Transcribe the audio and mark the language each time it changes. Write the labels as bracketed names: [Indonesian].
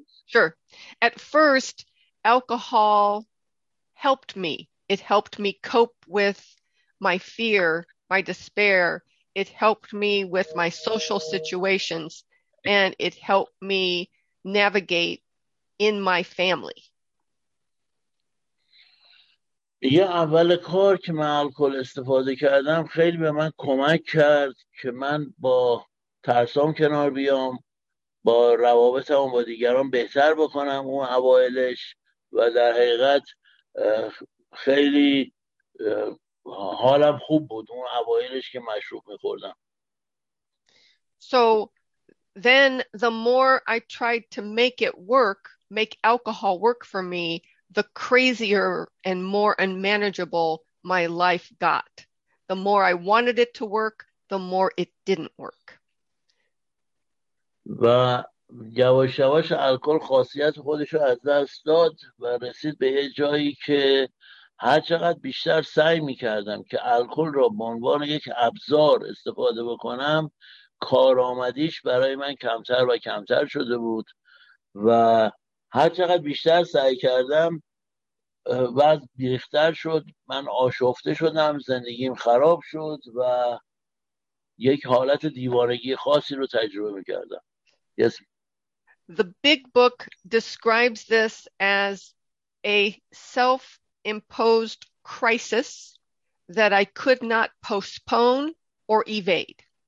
[English] Sure. At first, alcohol helped me. It helped me cope with my fear, my despair. It helped me with my social situations, and it helped me navigate in my family. [Persian] یه اول کار که من الکل استفاده کردم خیلی به من کمک کرد که من با ترسام کنار بیام، با روابطم با دیگران بهتر بکنم اون اوائلش، و در حقیقت خیلی حالم خوب بود اون اوائلش که مشروب میخوردم. [English] So then the more I tried to make alcohol work for me, the crazier and more unmanageable my life got. The more I wanted it to work, the more it didn't work. [Persian] و یواش یواش الکل خاصیت خودش رو از دست داد و رسید به یه جایی که هر چقدر بیشتر سعی می‌کردم که الکل رو به عنوان یک ابزار استفاده بکنم، کارآمدیش برای من کمتر و کمتر شده بود و هر چقدر بیشتر سعی کردم وضع بیختر شد، من آشفته شدم، زندگیم خراب شد و یک حالت دیوانگی خاصی رو تجربه میکردم. [English] Yes. The big book describes this as a self-imposed crisis that I could not postpone or evade.